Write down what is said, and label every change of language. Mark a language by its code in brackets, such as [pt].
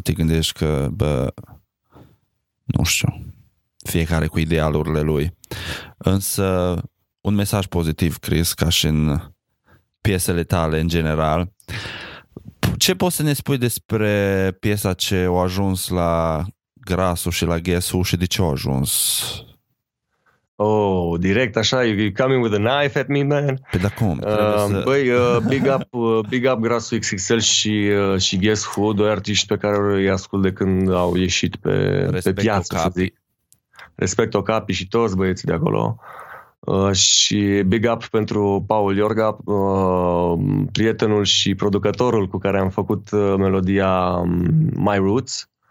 [ro] Te gândești că, bă, nu știu, fiecare cu idealurile lui. Însă, un mesaj pozitiv, Chris, ca și în piesele tale în general. Ce poți să ne spui despre piesa ce a ajuns la Grasul și la Guess Who și de ce a ajuns? [en] Oh, [ro] direct așa, [en] you're coming with a knife at me, man. [ro] Pe da cum? Băi, big up Grasul XXL și Guess Who, doi artiști pe care îi ascult de când au ieșit pe piață, să zic. Respect o capi și toți băieții de acolo. Și big up pentru Paul Iorga, prietenul și producătorul cu care am făcut melodia My Roots.